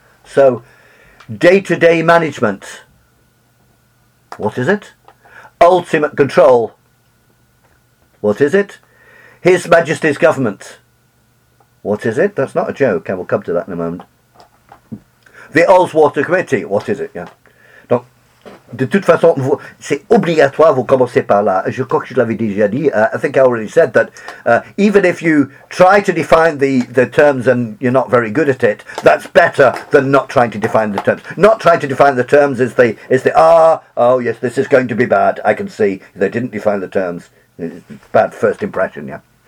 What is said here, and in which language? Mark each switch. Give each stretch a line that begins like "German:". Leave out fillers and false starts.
English: So, day-to-day management. What is it? Ultimate control. What is it? His Majesty's government. What is it? That's not a joke. I will come to that in a moment. The Ulswater Committee. What is it? Yeah.
French: De toute façon, c'est obligatoire, vous commencez par là. Je crois que je l'avais déjà dit.
English: I think I already said that even if you try to define the terms and you're not very good at it, that's better than not trying to define the terms. Not trying to define the terms is this is going to be bad. I can see they didn't define the terms. Bad first impression, yeah.